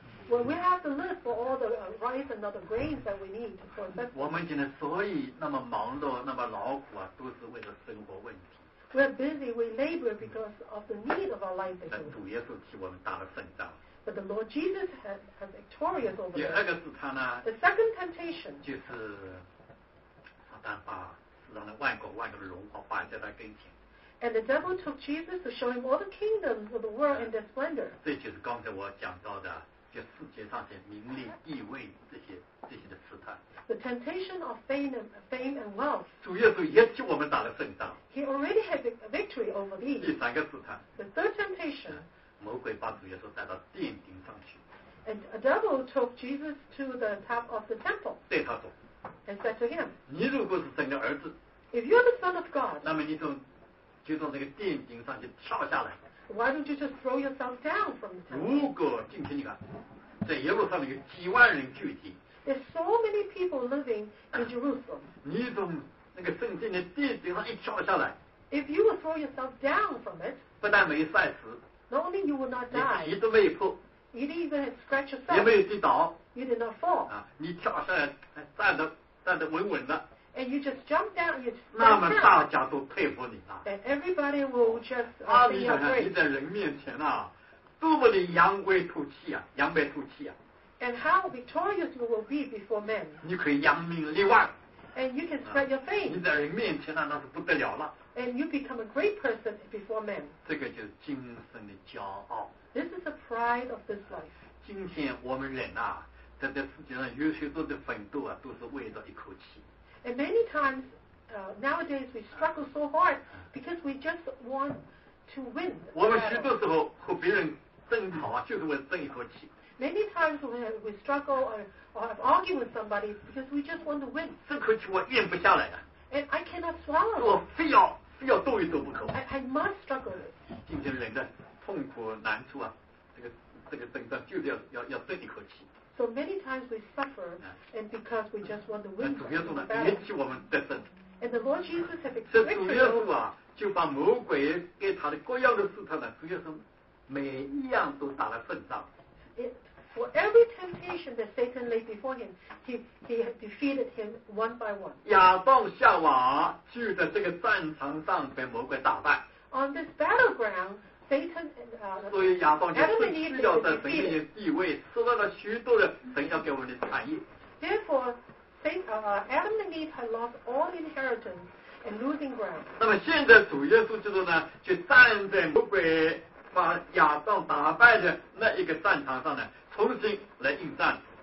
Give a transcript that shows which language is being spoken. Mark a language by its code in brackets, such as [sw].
[en] Well, we have to live for all the rice and other grains that we need to process. [zh] 我们今天所以那么忙碌，那么劳苦啊，都是为了生活问题。 [en] We are busy, we labor because of the need of our livelihood. [zh] 但主耶稣替我们打了胜仗。 [en] But the Lord Jesus has victorious over them. [zh] 第二个试探呢？ [en] The second temptation. [zh] 就是撒旦把世上的万国万国的荣华摆在他跟前。 [en] And the devil took Jesus to show him all the kingdoms of the world and their splendor. [zh] 这就是刚才我讲到的，就世界上的名利地位这些的试探。 [en] The temptation of fame and wealth. [zh] 主耶稣也替我们打了胜仗。 [en] He already had a victory over these. [zh] 第三个试探。 [en] The third temptation. [zh] 魔鬼把主耶稣带到殿顶上去。 [en] And a devil took Jesus to the top of the temple. [zh] 对他说。 [en] And said to him. [zh] 你如果是神的儿子。 [en] If you're the son of God. [zh] 那么你就从那个殿顶上去跳下来。 [en] Why don't you just throw yourself down from the temple? [zh] 如果今天你看，在耶路撒冷有几万人聚集。 [en] There's so many people living in Jerusalem. [zh] 你从那个圣殿的殿顶上一跳下来。 [en] If you would throw yourself down from it. [zh] 不但没摔死。 [en] Not only you would not die. [zh] 你皮都没破。 [en] You didn't even scratch yourself. [zh] 也没有跌倒。 [en] You did not fall. [zh] 啊，你跳下来站得稳稳的。 [en] And you just jump down, you just. [zh] 那么大家都佩服你啊。 [en] And everybody will just. [zh] 啊，你想想，你在人面前啊，多么的扬威吐气啊，扬眉吐气啊。 [en] And how victorious you will be before men. [zh] 你可以扬名立万。 [en] And you can spread your fame. [zh] 你在人面前啊，那是不得了了。 [en] And you become a great person before men. [zh] 这个就是今生的骄傲。 [en] This is the pride of this life. [zh] 今天我们人啊，在这世界上有许多的奋斗啊，都是为了一口气。 [en] And many times, nowadays, we struggle so hard because we just want to win. [zh] 我们许多时候和别人争吵啊，就是为了争一口气。 [en] Many times we struggle or have argue with somebody because we just want to win. [zh] 这口气我咽不下来的。 [en] And I cannot swallow. [zh] 我非要斗一斗不可。 [en] I must struggle. [zh] 今天人的痛苦难处啊，这个争吵就是要争一口气。 [en] So many times we suffer, and because we just want to win. [zh] 主耶稣呢，也替我们得胜。 [en] And the Lord Jesus has victory. [zh] 主耶稣啊，就把魔鬼给他的各样的试探呢，主耶稣每一样都打了胜仗。 [en] For every temptation that Satan laid before him, he defeated him one by one. [zh] 亚当夏娃就在这个战场上被魔鬼打败。 [en] On this battleground. Satan, [zh] 所以亚当就失去了在神面前的地位，受到了许多的神要给我们的产业。 [en] Therefore, Adam and Eve had lost all inheritance and losing ground. [zh] 那么现在主耶稣基督呢，就站在魔鬼把亚当打败的那一个战场上呢，重新来应战。